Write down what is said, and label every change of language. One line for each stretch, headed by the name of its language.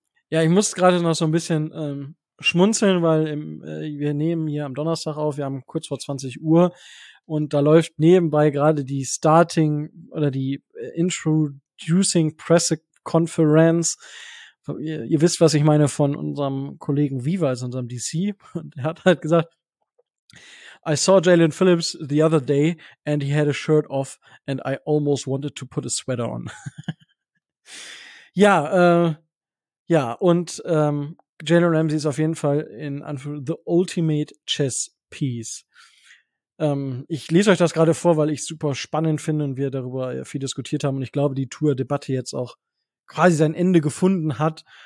German: Ja, ich muss gerade noch so ein bisschen schmunzeln, weil wir nehmen hier am Donnerstag auf, wir haben kurz vor 20 Uhr und da läuft nebenbei gerade die Starting oder die Introducing Press Conference. Ihr wisst, was ich meine, von unserem Kollegen Viva, also unserem DC. Und er hat halt gesagt,
English: I saw Jalen Phillips the other day and he had a shirt off and I almost wanted to put a sweater on.
German: Ja, und Jalen Ramsey ist auf jeden Fall in Anführungszeichen
English: the ultimate chess piece.
German: Ich lese euch das gerade vor, weil ich es super spannend finde und wir darüber viel diskutiert haben und ich glaube, die Tour-Debatte jetzt auch quasi sein Ende gefunden hat.